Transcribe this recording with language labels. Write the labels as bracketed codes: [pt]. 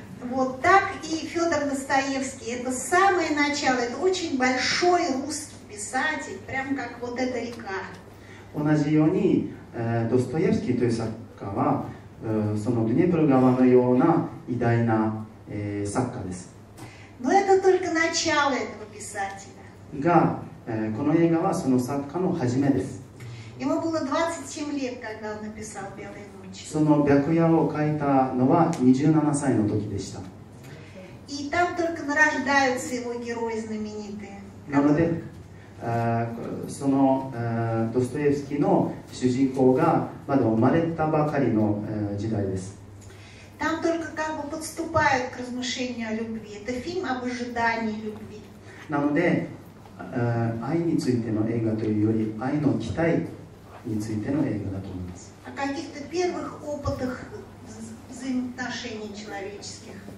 [ru] Вот так и Фёдор Достоевский. Это самое начало. Это очень большой русский писатель, прям как вот эта река. [ja] 同じように、ドストエフスキーという作家は、そのドニエプル川のような偉大な、作家です。 [ru] Но это только начало этого писателя. [ja] が、この映画はその作家の始めです。 [ru] Ему было 27 лет, когда он написал «Белые ночи». [ja] その白夜を書いたのは27歳の時でした。 [ru] И там только рождаются его герои знаменитые. [ja] なので、その、ドストエフスキーの主人公がまだ生まれたばかりの、時代です。 [ru] Там только как бы подступают к размышлению о любви. Это фильм об ожидании любви. [ja] なので、愛についての映画というより愛の期待についての映画だと思います。 [ru] О каких-то первых опытах взаимоотношений человеческих.